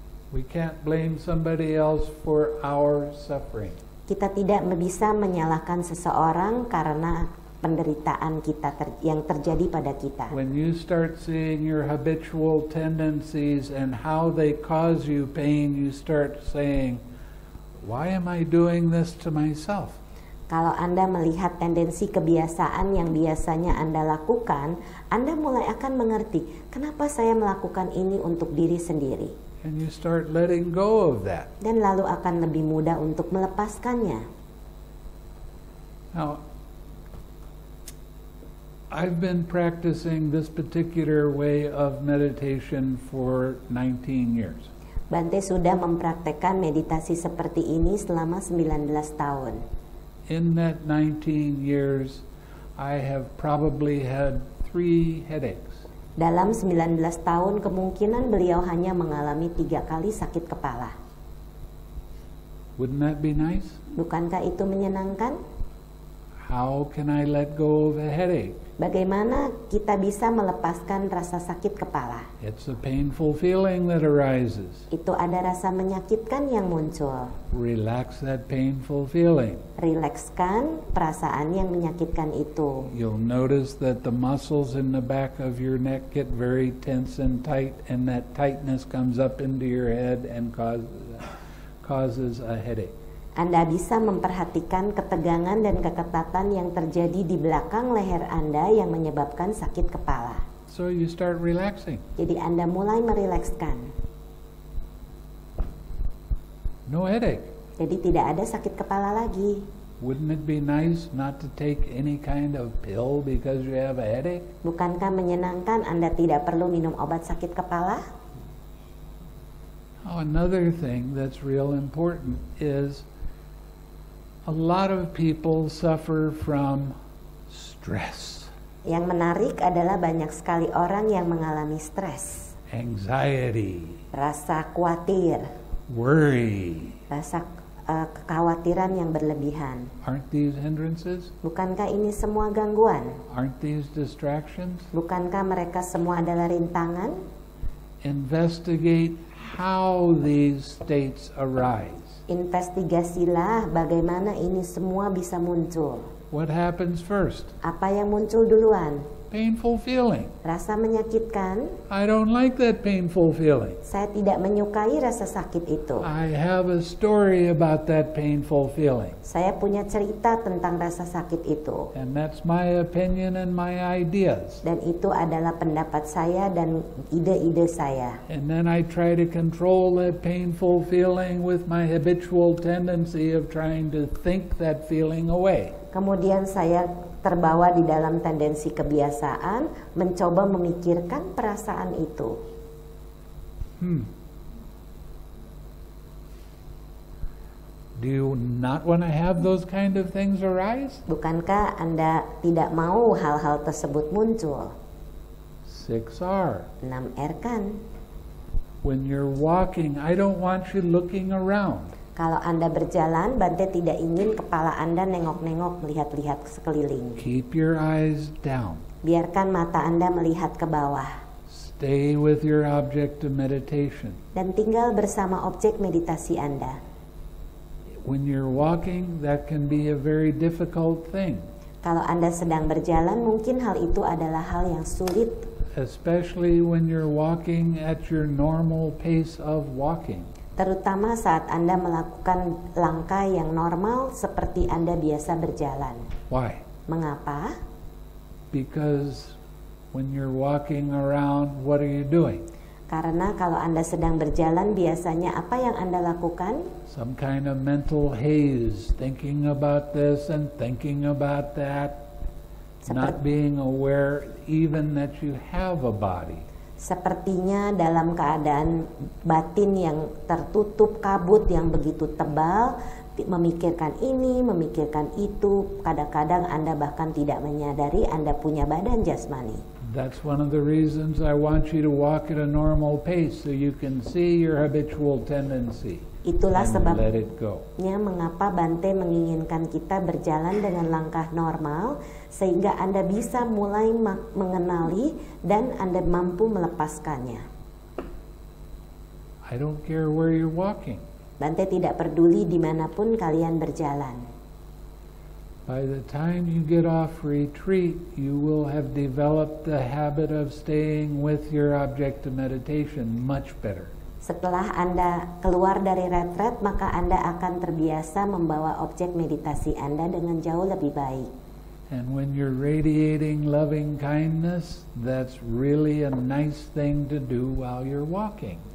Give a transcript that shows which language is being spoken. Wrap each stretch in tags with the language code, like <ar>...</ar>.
<en>We can't blame somebody else for our suffering.</en> <id>Kita tidak bisa menyalahkan seseorang karena penderitaan kita yang terjadi pada kita.</id> <en>When you start seeing your habitual tendencies and how they cause you pain, you start saying, "Why am I doing this to myself?"</en> <id>Kalau Anda melihat tendensi kebiasaan yang biasanya Anda lakukan, Anda mulai akan mengerti, "Kenapa saya melakukan ini untuk diri sendiri?"</id> <en>And you start letting go of that.</en> <id>Dan lalu akan lebih mudah untuk melepaskannya.</id> <en>Now, I've been practicing this particular way of meditation for 19 years.</en> <id>Bante sudah mempraktekkan meditasi seperti ini selama 19 tahun.</id> <en>In that 19 years, I have probably had 3 headaches.</en> <id>Dalam 19 tahun, kemungkinan beliau hanya mengalami 3 kali sakit kepala.</id> <en>Wouldn't that be nice?</en> <id>Bukankah itu menyenangkan?</id> <en>How can I let go of a headache?</en> <id>Bagaimana kita bisa melepaskan rasa sakit kepala?</id> <en>It's a painful feeling that arises.</en> <id>Itu ada rasa menyakitkan yang muncul.</id> <en>Relax that painful feeling.</en> <id>Rilekskan perasaan yang menyakitkan itu.</id> <en>You'll notice that the muscles in the back of your neck get very tense and tight, and that tightness comes up into your head and causes causes a headache.</en> <id>Anda bisa memperhatikan ketegangan dan keketatan yang terjadi di belakang leher Anda yang menyebabkan sakit kepala.</id> <en>So you start relaxing.</en> <id>Jadi Anda mulai merilekskan.</id> <en>No headache.</en> <id>Jadi tidak ada sakit kepala lagi.</id> <en>Wouldn't it be nice not to take any kind of pill because you have a headache?</en> <id>Bukankah menyenangkan Anda tidak perlu minum obat sakit kepala?</id> <en>Another thing that's real important is a lot of people suffer from stress.</en> <id>Yang menarik adalah banyak sekali orang yang mengalami stres.</id> <en>Anxiety.</en> <id>Rasa khawatir.</id> <en>Worry.</en> <id>Rasa kekhawatiran yang berlebihan.</id> <en>Aren't these hindrances?</en> <id>Bukankah ini semua gangguan?</id> <en>Aren't these distractions?</en> <id>Bukankah mereka semua adalah rintangan?</id> <en>Investigate how these states arise.</en> <id>Investigasilah bagaimana ini semua bisa muncul.</id> <en>What happens first?</en> <id>Apa yang muncul duluan?</id> <en>Painful feeling.</en> <id>Rasa menyakitkan.</id> <en>I don't like that painful feeling.</en> <id>Saya tidak menyukai rasa sakit itu.</id> <en>I have a story about that painful feeling.</en> <id>Saya punya cerita tentang rasa sakit itu.</id> <en>And that's my opinion and my ideas.</en> <id>Dan itu adalah pendapat saya dan ide-ide saya.</id> <en>And then I try to control that painful feeling with my habitual tendency of trying to think that feeling away.</en> <id>Kemudian saya terbawa di dalam tendensi kebiasaan mencoba memikirkan perasaan itu.</id> <en>Do you not want to have those kind of things arise?</en> <id>Bukankah Anda tidak mau hal-hal tersebut muncul?</id> <en>6R.</en> <id>6R kan?</id> <en>When you're walking, I don't want you looking around.</en> <id>Kalau Anda berjalan, Bante tidak ingin kepala Anda nengok-nengok melihat-lihat sekeliling.</id> <en>Keep your eyes down.</en> <id>Biarkan mata Anda melihat ke bawah.</id> <en>Stay with your object of meditation.</en> <id>Dan tinggal bersama objek meditasi Anda.</id> <en>When you're walking, that can be a very difficult thing.</en> <id>Kalau Anda sedang berjalan, mungkin hal itu adalah hal yang sulit.</id> <en>Especially when you're walking at your normal pace of walking.</en> <id>Terutama saat Anda melakukan langkah yang normal seperti Anda biasa berjalan.</id> <en>Why?</en> <id>Mengapa?</id> <en>Because when you're walking around, what are you doing?</en> <id>Karena kalau Anda sedang berjalan, biasanya apa yang Anda lakukan?</id> <en>Some kind of mental haze, thinking about this and thinking about that, not being aware even that you have a body.</en> <id>Sepertinya dalam keadaan batin yang tertutup kabut yang begitu tebal, memikirkan ini, memikirkan itu, kadang-kadang Anda bahkan tidak menyadari Anda punya badan jasmani.</id> <en>That's one of the reasons I want you to walk at a normal pace so you can see your habitual tendency.</en> <id>Itulah sebabnya mengapa Bante menginginkan kita berjalan dengan langkah normal sehingga Anda bisa mulai mengenali dan Anda mampu melepaskannya.</id> <en>I don't care where you're walking.</en> <id>Bante tidak peduli dimanapun kalian berjalan.</id> <en>By the time you get off retreat, you will have developed the habit of staying with your object of meditation much better.</en> <id>Setelah Anda keluar dari retret, maka Anda akan terbiasa membawa objek meditasi Anda dengan jauh lebih baik.</id> <en>And when you're radiating loving kindness, that's really a nice thing to do while you're walking.</en>